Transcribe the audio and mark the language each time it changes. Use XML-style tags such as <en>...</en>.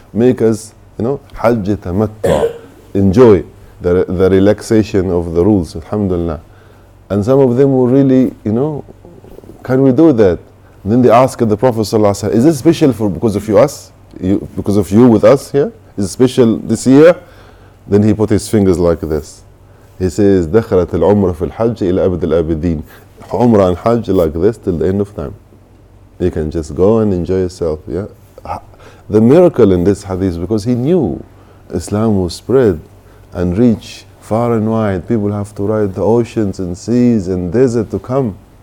<en>Make us, you know, hajj tamattu. Enjoy the relaxation of the rules. Alhamdulillah. And some of them were really, you know, can we do that? And then they ask the Prophet sallallahu alaihi wasallam, is this special for because of us? You, because of you with us here? Is it special this year? Then he put his fingers like this. He says,</en> <ar>دَخَلَتِ الْعُمْرَ فِي الْحَجِّ إِلَىٰ أَبْدِ الْأَبِدِينَ.</ar> <en>Umrah and Hajj like this till the end of time. You can just go and enjoy yourself. Yeah? The miracle in this hadith is because he knew Islam will spread and reach far and wide. People have to ride the oceans and seas and desert to come.</en>